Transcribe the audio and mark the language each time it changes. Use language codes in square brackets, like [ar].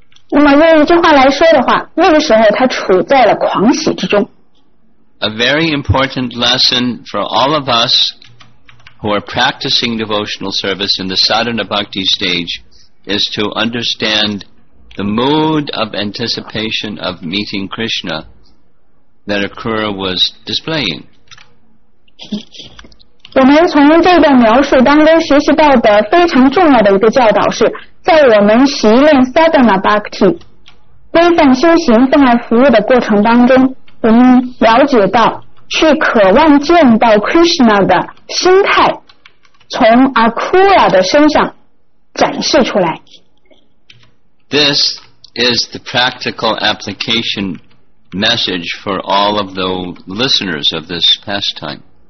[zh] 那么用一句话来说的话，那个时候他处在了狂喜之中。 [en] a very important lesson for all of us who are practicing devotional service in the sadhana bhakti stage is to understand the mood of anticipation of meeting Krishna that Akura was displaying. [zh] 我们从这段描述当中学习到的非常重要的一个教导是在我们习练萨达那巴克提规范修行奉爱服务的过程当中我们了解到去渴望见到Krishna的心态从�kura的身上展示出来。 [en] This is the practical application message for all of the listeners of this pastime.